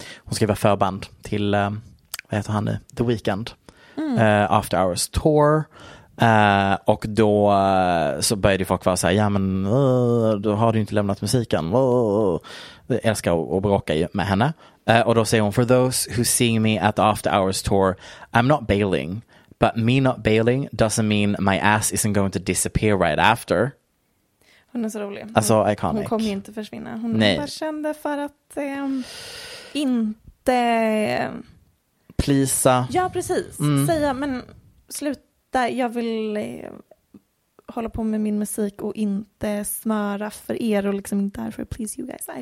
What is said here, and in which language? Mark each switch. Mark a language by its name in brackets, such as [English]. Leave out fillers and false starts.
[Swedish] Hon ska vara förband till, vad heter han nu? The Weeknd. After Hours Tour. Och då så började folk vara så här, ja men då har du inte lämnat musiken. Jag älskar att bråka med henne. Och då säger hon, [English] for those who see me at the after hours tour, I'm not bailing. But me not bailing doesn't mean my ass isn't going to disappear right after. [Swedish] Hon är så rolig. Hon, alltså, iconic. Hon kommer ju inte försvinna. Hon bara kände för att inte... Plisa. Ja, precis. Mm. Säga, men sluta. Jag vill hålla på med min musik och inte smöra för er och liksom inte här för att [English] please you guys.